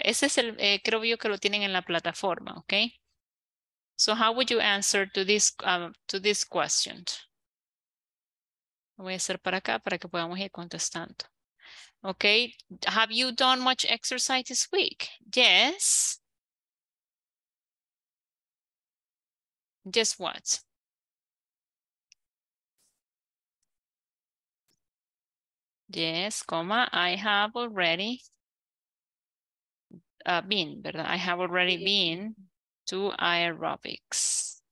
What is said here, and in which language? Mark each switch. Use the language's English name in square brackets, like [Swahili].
[Spanish] Ese es el, creo yo que lo tienen en la plataforma, okay? [English] So how would you answer to this question? [Spanish] Voy a hacer para acá para que podamos ir contestando. [English] Okay, have you done much exercise this week? Yes. Just what? Yes, comma, I have already been, ¿verdad? I have already been to aerobics.